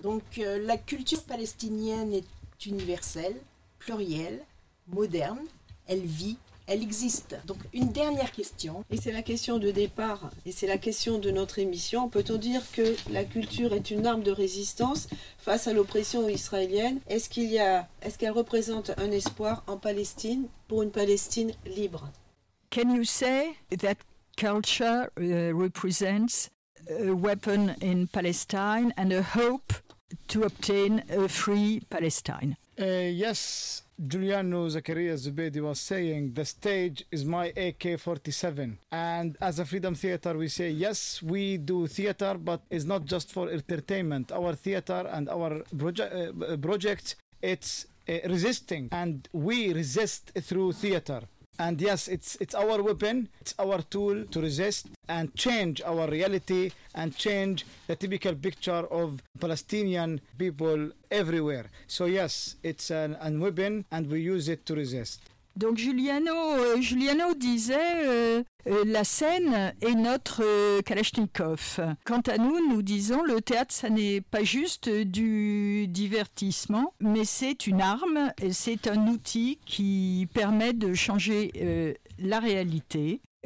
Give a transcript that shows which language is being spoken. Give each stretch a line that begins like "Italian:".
French: Donc la culture palestinienne est universelle, plurielle, moderne, elle vit, elle existe. Donc une dernière question. Et c'est la question de départ, et c'est la question de notre émission. Peut-on dire que la culture est une arme de résistance face à l'oppression israélienne? Est-ce qu'elle représente un espoir en Palestine pour une Palestine libre?
English: Can you say that culture represents a weapon in Palestine and a hope to obtain a free Palestine? Yes, Giuliano Zaccaria Zubedi was saying, the stage is my AK-47. And as a Freedom Theatre, we say, yes, we do theatre, but it's not just for entertainment. Our theatre and our project, it's resisting. And we resist through theatre. And yes, it's our weapon, it's our tool to resist and change our reality and change the typical picture of Palestinian people everywhere. So yes, it's an weapon and we use it to resist.
French: Donc Giuliano disait la scène est notre Kalachnikov. Quant à nous, nous disons le théâtre, ça n'est pas juste du divertissement, mais c'est une arme, c'est un outil qui permet de changer la réalité.